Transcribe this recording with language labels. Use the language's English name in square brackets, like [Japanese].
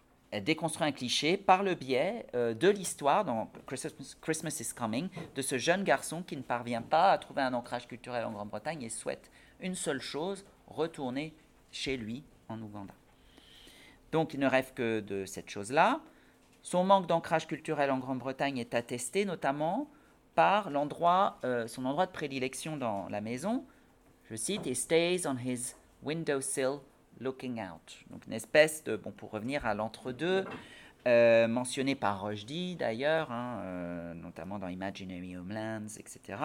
[French] Elle déconstruit un cliché par le biais de l'histoire, dans Christmas is Coming, de ce jeune garçon qui ne parvient pas à trouver un ancrage culturel en Grande-Bretagne et souhaite une seule chose, retourner chez lui en Ouganda. Donc il ne rêve que de cette chose-là. Son manque d'ancrage culturel en Grande-Bretagne est attesté notamment par son endroit de prédilection dans la maison. Je cite, [English] He stays on his windowsill. Looking out. [French] Donc, une espèce de, bon, pour revenir à l'entre-deux, mentionné par Rushdie d'ailleurs, hein, notamment dans Imaginary Homelands, etc.